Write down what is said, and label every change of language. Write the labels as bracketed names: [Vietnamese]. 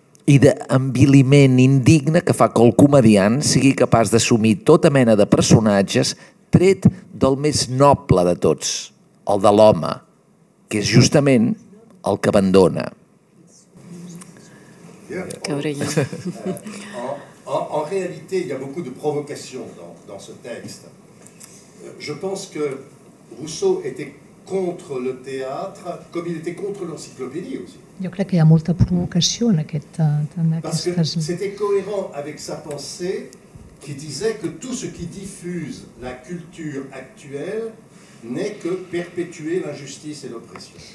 [Catalan] i d'enviliment indigne que fa que el comediant sigui capaç d'assumir tota mena de personatges tret del més noble de tots, el de l'home, que és justament el que abandona. En realitat hi ha molt de provocació en aquest text. Jo penso que [French] Rousseau était contre le théâtre, comme il était contre l'encyclopédie aussi. [Catalan] Jo crec que hi ha molta provocació en aquestes... [French] C'était cohérent avec sa pensée qui disait que tout ce qui diffuse la culture actuelle n'est que perpétuer l'injustice et l'oppression.